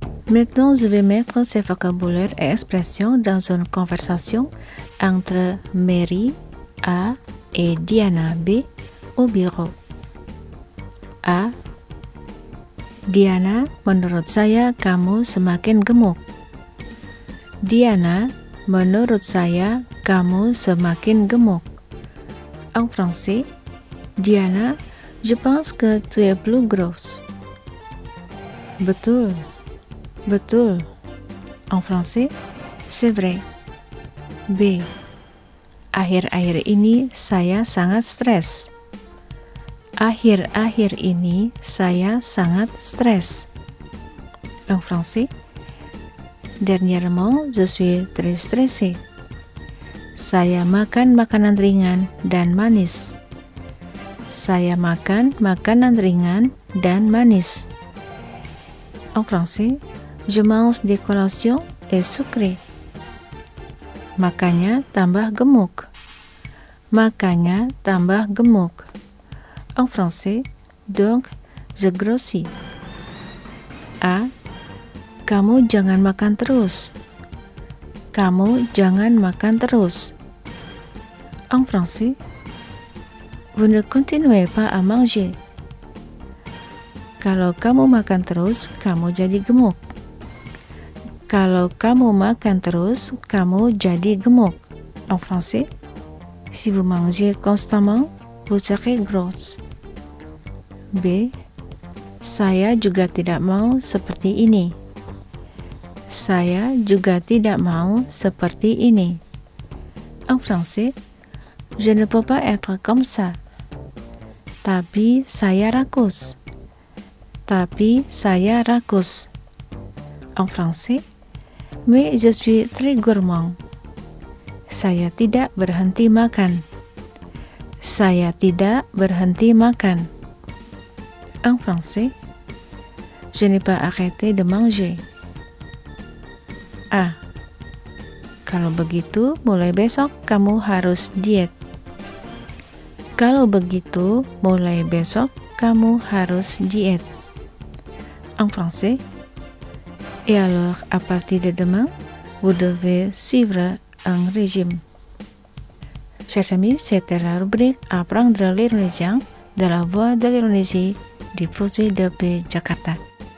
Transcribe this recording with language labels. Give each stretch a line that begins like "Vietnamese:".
French: Maintenant, je vais mettre ces vocabulaires et expressions dans une conversation entre Mary A et Diana B au bureau. A.
Indonesian: Diana, menurut saya kamu semakin gemuk. Diana, menurut saya kamu semakin gemuk.
French: En français, Diana, je pense que tu es plus grosse.
Indonesian: Betul. Betul.
French: En français, c'est vrai. B.
Indonesian: Akhir-akhir ini saya sangat stres. Akhir-akhir ini saya sangat stres.
French: En français, dernièrement, je suis très stressé.
Indonesian: Saya makan makanan ringan dan manis. Saya makan makanan ringan dan manis.
French: En français, je mange des collations et sucré.
Indonesian: Makanya tambah gemuk. Makanya tambah gemuk.
French: En français, donc je grossis. A.
Indonesian: Kamu jangan makan terus. Kamu jangan makan terus.
French: En français, vous ne continuez pas à manger.
Indonesian: Kalau kamu makan terus, kamu jadi gemuk. Kalau kamu makan terus, kamu jadi gemuk.
French: En français, si vous mangez constamment, vous serez grosse. B.
Indonesian: Saya juga tidak mau seperti ini. Saya juga tidak mau seperti ini.
French: En français, je ne peux pas être comme ça.
Indonesian: Tapi saya rakus. Tapi saya rakus.
French: En français, mais je suis très gourmand.
Indonesian: Saya tidak berhenti makan. Saya tidak berhenti makan.
French: En français, je n'ai pas arrêté de manger. A.
Indonesian: Kalau begitu, mulai besok kamu harus diet. Kalau begitu, mulai besok kamu harus diet.
French: En français, et alors à partir de demain, vous devez suivre un régime. Chers amis, c'était la rubrique Apprendre l'Indonésien de la Voix de l'Indonésie, diffusée depuis Jakarta.